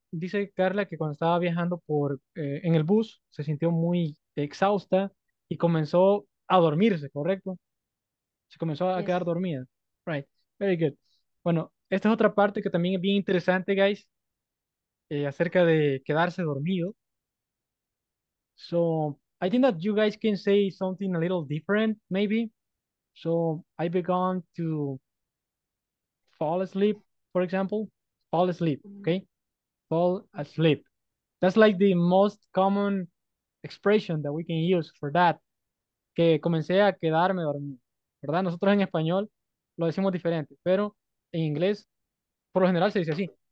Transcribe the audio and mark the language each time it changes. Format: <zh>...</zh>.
<es>Dice Carla que cuando estaba viajando en el bus, se sintió muy exhausta y comenzó a dormirse, ¿correcto? Se comenzó a quedar dormida.</es> <en>Right. Very good.</en> <es>Bueno, esta es otra parte que también es bien interesante, guys, acerca de quedarse dormido.</es> <en>So, I think that you guys can say something a little different, maybe. So, I began to fall asleep, for example. Fall asleep, okay? Fall asleep. That's like the most common expression that we can use for that.</en> <es>Que comencé a quedarme dormido, ¿verdad? Nosotros en español lo decimos diferente, pero en inglés, por lo general se dice así.</es>